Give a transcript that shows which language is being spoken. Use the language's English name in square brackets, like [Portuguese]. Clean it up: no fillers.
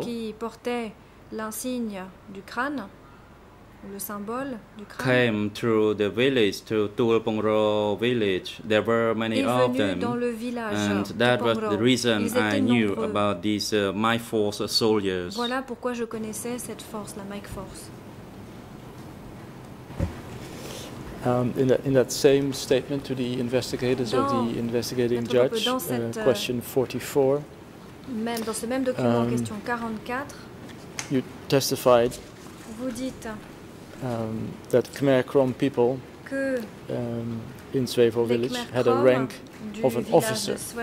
[French] qui portait l'insigne du crâne, le symbole du crâne, [English] came through the village to Tulpongro village. There were many of them, and that was the reason I knew about these Mike Force soldiers. [French] Voilà pourquoi je connaissais cette force, la Mike Force. [English] In that same statement to the investigators or the investigating judge, question 44. [French] Même dans ce même document, question 44. [English] You testified. [French] Vous dites. [English] That Khmer Krom people in Svevo village had a rank of an officer.